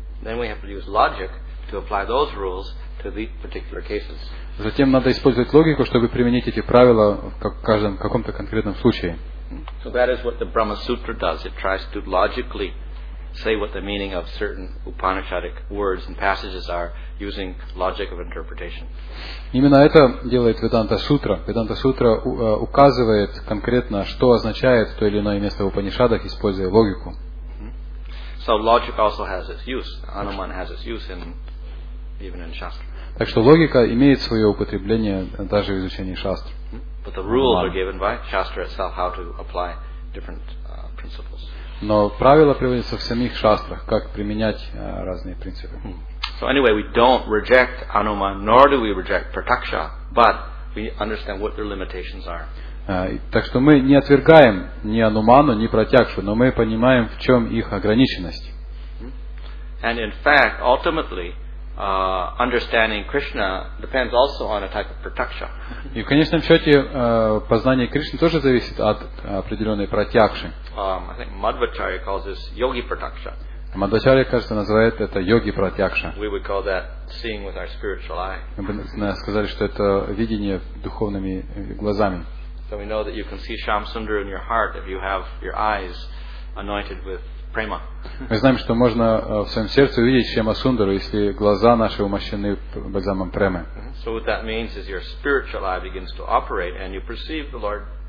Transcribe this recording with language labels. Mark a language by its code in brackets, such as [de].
[en] Then we have to use logic to apply those rules to the particular cases. [ru] Затем надо использовать логику, чтобы применить эти правила в каждом каком-то конкретном случае. [en] So that is what the Brahma Sutra does. It tries to logically say what the meaning of certain Upanishadic words and passages are using logic of interpretation. [ru] Именно это делает Веданта Сутра. Веданта Сутра указывает конкретно, что означает то или иное место в Упанишадах, используя логику. [en] So logic also has its use. Anuman has its use in even in Shastra. [ru] Так что логика имеет свое употребление даже в изучении шастр. [en] But the rules are given by Shastra itself how to apply different principles. [ru] Но правила приводятся в самих шастрах, как применять разные принципы. [en] So anyway, we don't reject Anuman, nor do we reject Pratyaksha, but we understand what their limitations are. [ru] Так что мы не отвергаем ни Ануману, ни Пратьякшу, но мы понимаем, в чем их ограниченность. [en] And in fact, ultimately, understanding Krishna depends also on a type of Pratyaksha. [ru] И в конечном счете познание Кришны тоже зависит от определенной Пратьякши. [en] I think Madhvacharya calls this Yogi Pratyaksha. [ru] Мадхвачарья, кажется, называет это йоги пратьякша. [en] We would call that seeing with our spiritual eye. [ru] Мы бы сказали, что это видение духовными глазами. [en] So we know that you can see Shamsundara in your heart if you have your eyes anointed with prema. [ru] Мы знаем, что можно в своем сердце увидеть Шамасундару, если глаза наши умощены бальзамом премы. [en] So what that means is your spiritual eye begins to operate and you perceive the Lord.